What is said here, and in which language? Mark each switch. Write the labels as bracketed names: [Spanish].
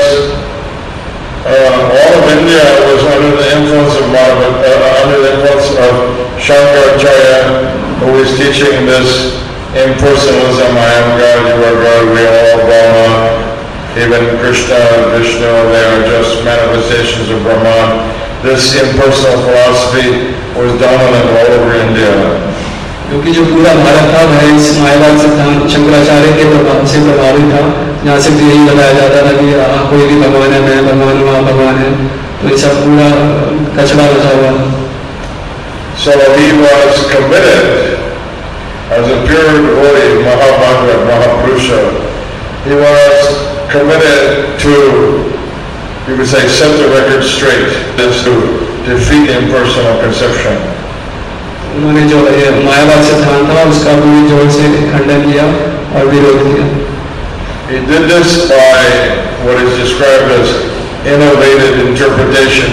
[English] All of India was under the influence of Shankaracharya, who was teaching this impersonalism. I am God, you are God, we are all Brahma. Even Krishna, Vishnu, they are just manifestations of Brahman. This impersonal philosophy was dominant all over India. [Hindi] क्योंकि जो पूरा भारत था वह इस मायावाद सिद्धांत शंकराचार्य के प्रभाव से प्रभावित था. यहाँ सिर्फ यही बताया जाता था कि कोई भी भगवान है, मैं भगवान हूँ, आप भगवान है, तो ये सब पूरा कचरा बचा हुआ. [English] So he was committed as a pure devotee, Mahabhagavat, Mahapurusha. He was committed to, you could say, set the record straight, this to defeat impersonal conception. [Hindi] उन्होंने जो मायावाद सिद्धांत था उसका पूरी जोर से खंडन किया और विरोध किया. [English] He did this by what is described as innovative interpretation.